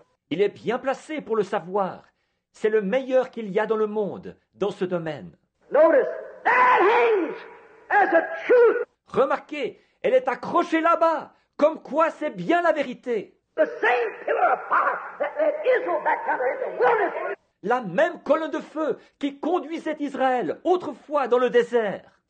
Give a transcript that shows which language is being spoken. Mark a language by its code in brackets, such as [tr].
[fr] Il est bien placé pour le savoir. C'est le meilleur qu'il y a dans le monde, dans ce domaine. [en] Notice, that hangs as a truth. [fr] Remarquez, elle est accrochée là-bas, comme quoi c'est bien la vérité. [en] The same pillar of fire that led Israel back down in the wilderness. [fr] La même colonne de feu qui conduisait Israël autrefois dans le désert.